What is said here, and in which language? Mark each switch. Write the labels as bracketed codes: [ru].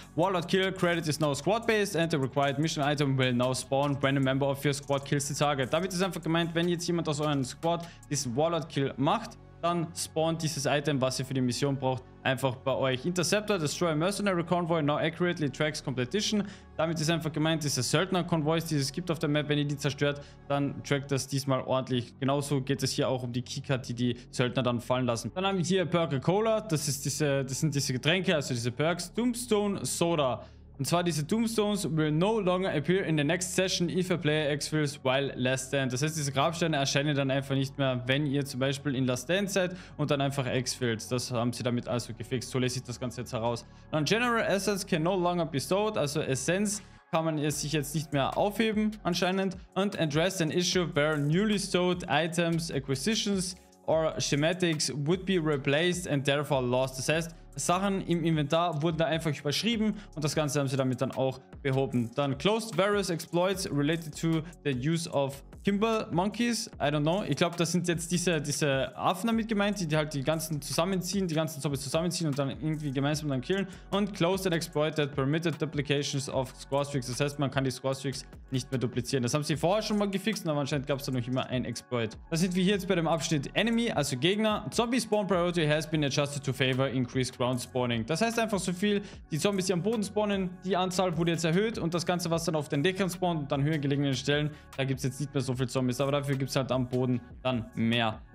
[en] Warlord Kill, Credit is now squad-based and the required mission item will now spawn when a member of your squad kills the target. [de] Damit ist einfach gemeint, wenn jetzt jemand aus eurem Squad diesen Warlord Kill macht, dann spawnt dieses Item, was ihr für die Mission braucht, einfach bei euch. [en] Interceptor, Destroy Mercenary Convoy, now accurately tracks competition. [de] Damit ist einfach gemeint, diese Söldner Convoys, die es gibt auf der Map, wenn ihr die zerstört, dann trackt das diesmal ordentlich. Genauso geht es hier auch um die Keycard, die Söldner dann fallen lassen. Dann haben wir hier Perker Cola, das sind diese Getränke, also diese Perks. [en] Tombstone Soda. [de] Und zwar diese [en] Tombstones will no longer appear in the next session if a player exfills while last stand. [de] Das heißt, diese Grabsteine erscheinen dann einfach nicht mehr, wenn ihr zum Beispiel in last stand seid und dann einfach exfilt. Das haben sie damit also gefixt. So lese ich das Ganze jetzt heraus. Dann [en] General Essence can no longer be stored, [de] also Essence kann man es sich jetzt nicht mehr aufheben anscheinend. [en] Und address an issue where newly stored items, acquisitions or schematics would be replaced and therefore lost. [de] Das heißt, Sachen im Inventar wurden da einfach überschrieben und das Ganze haben sie damit dann auch behoben. [en] Dann closed various exploits related to the use of Kimball Monkeys. I don't know. [de] Ich glaube, das sind jetzt diese Affen damit gemeint, die halt die ganzen zusammenziehen, die ganzen Zombies zusammenziehen und dann irgendwie gemeinsam dann killen. [en] Und closed an exploit that permitted duplications of Score Streaks. [de] Das heißt, man kann die Score Streaks nicht mehr duplizieren. Das haben sie vorher schon mal gefixt, aber anscheinend gab es da noch immer ein Exploit. Da sind wir hier jetzt bei dem Abschnitt Enemy, also Gegner. [en] Zombie Spawn Priority has been adjusted to favor increased Ground Spawning. [de] Das heißt einfach so viel, die Zombies, die am Boden spawnen, die Anzahl wurde jetzt erhöht und das Ganze, was dann auf den Deckern spawnt und dann höher gelegenen Stellen, da gibt es jetzt nicht mehr so viel Zombies, aber dafür gibt es halt am Boden dann mehr.